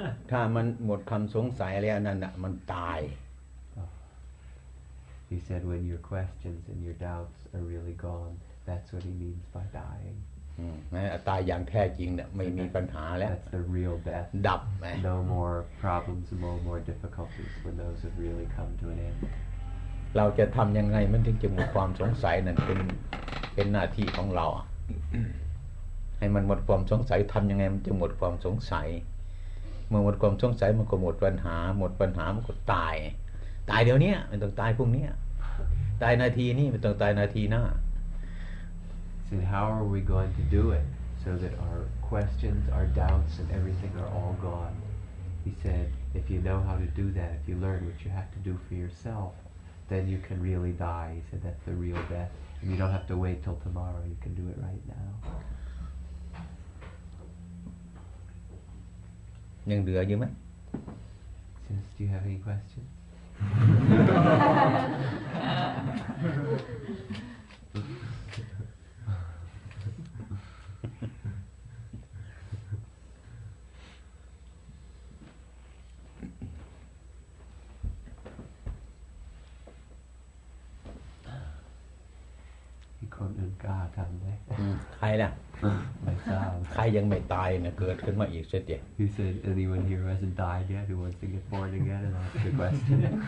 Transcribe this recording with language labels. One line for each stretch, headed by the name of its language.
Thai: ถ้ามันหมดคำสงสัยแล้วนั่นน่ะมันตาย
English: He said when your questions and your doubts are really gone that's what he means by dying
Thai: ตายอย่างแท้จริงน่ะไม่มีปัญหาแล้ว
English: That's the real death
Thai: ดับ
English: No more problems no more difficulties when those have really come to an end
Thai: เราจะทำยังไงมันถึงจะหมดความสงสัยนั่นเป็นหน้าที่ของเราให้มันหมดความสงสัยทำยังไงมันจะหมดความสงสัยเมื่อหมดความสงสัยมันก็หมดปัญหาหมดปัญหามันก็ตายตายเดี๋ยวนี้มันต้องตายพรุ่งนี้ตายนาทีนี้มันต้องตายนาทีหน้า
English: So how are we going to do it so that our questions our doubts and everything are all gone He said if you know how to do that if you learn what you have to do for yourself then you can really die He said that's the real death and you don't have to wait till tomorrow you can do it right now
Thai: ยังเหลืออยู่ไหม
English: Since do you have any questions?
Thai: อีกคนหนึ่งกล้าทำไหม ใครล่ะใครยังไม่ตายนะเกิดขึ้นมาอีกเสียดิ
English: He said anyone here who hasn't died yet who wants to get born again and ask a question